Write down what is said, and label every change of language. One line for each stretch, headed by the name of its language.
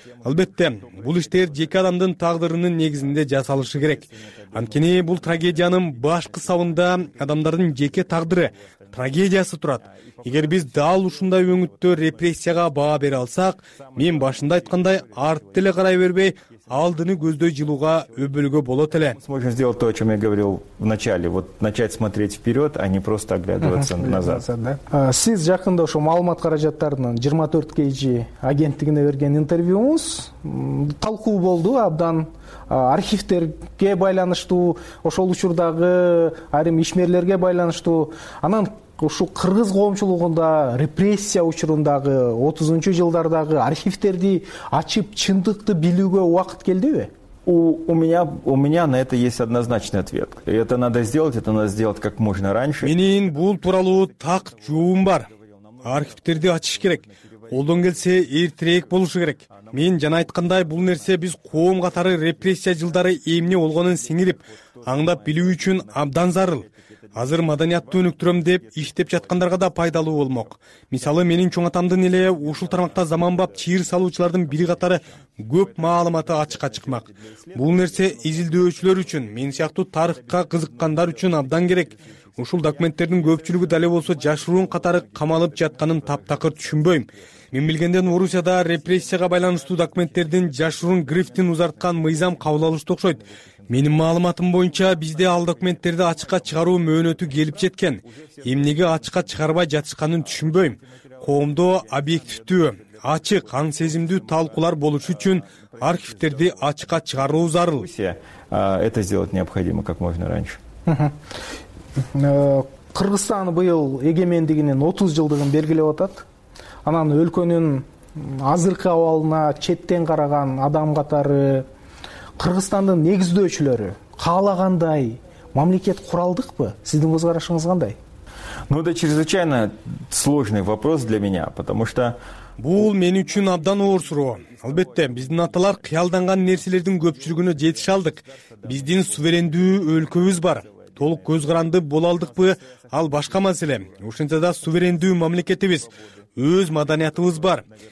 Kyrgyz: Албетте, бул иштер жеке адамдын тагдырынын негизинде жасалышы керек. Анткени бул трагедиянын башкы сабында адамдардын жеке тагдыры, трагедиясы турат. Эгер биз дал ушундай өңүттө репрессияга баа бере алсак, мен башында айткандай артты эле карай бербей, алдыны көздөй жылууга өбөлгө болот эле.
Russian: Можно сделать то, о чем я говорил в начале. Вот начать смотреть вперед, а не просто оглядываться назад.
Kyrgyz: Сиз жакында ошо маалымат каражаттарынын 24KG агенттигине берген интервьюңуз талкуу болду абдан, архивтерге байланыштуу, ошол учурдагы айрым ишмерлерге байланыштуу. Анан ушул кыргыз коомчулугунда репрессия учурундагы 30-жу жылдардагы архивтерди ачып чындыкты билүүгө убакыт келдиби?
Russian: У меня на это есть однозначный ответ. Это надо сделать как можно раньше.
Kyrgyz: Менин бул тууралуу так жоом бар. Архивтерди ачыш керек. Колдон келсе эртерээк болушу керек. Мен жана айткандай бул нерсе биз коом катары репрессия жылдары эмне болгонун сиңирип, аңдап билүү үчүн абдан зарыл. Азыр маданиятты өнүктүрөм деп иштеп жаткандарга да пайдалуу болмок. Мисалы менин чоң атамдын эле ушул тармакта заманбап чыйыр салуучулардын бири катары көп маалыматы ачыкка чыкмак. Бул нерсе изилдөөчүлөр үчүн, мен сыяктуу тарыхка кызыккандар үчүн абдан керек. Ушул документтердин көпчүлүгү дале болсо жашыруун катары камалып жатканын таптакыр түшүнбөйм. Мен билгенден Орусияда репрессияга байланыштуу документтердин жашыруун грифтин узарткан мыйзам кабыл алышты окшойт. Менин маалыматым боюнча бизде ал документтерди ачыкка чыгаруу мөөнөтү келип жеткен. Эмнеге ачыкка чыгарбай жатышканын түшүнбөйм. Коомдо объективдүү, ачык, аң сезимдүү талкуулар болушу үчүн архивтерди ачыкка чыгаруу зарыл.
Russian: Это сделать необходимо как можно раньше.
Kyrgyz: Кыргызстан быйыл эгемендигинин 30 жылдыгын белгилеп атат. Анан өлкөнүн азыркы абалына четтен караган адам катары, Кыргызстандын негиздөөчүлөрү каалагандай мамлекет куралдыкпы? Сиздин көзкарашыңыз кандай?
Russian: Ну, это чрезвычайно сложный вопрос для меня, потому что
Kyrgyz: бул мен үчүн абдан оор суроо. Албетте, биздин аталар кыялданган нерселердин көпчүлүгүнө жетише алдык. Биздин суверендүү өлкөбүз бар. Толук көз каранды боло алдыкпы? Ал башка маселе. Ошентсе да суверендүү мамлекетибиз, өз маданиятыбыз бар.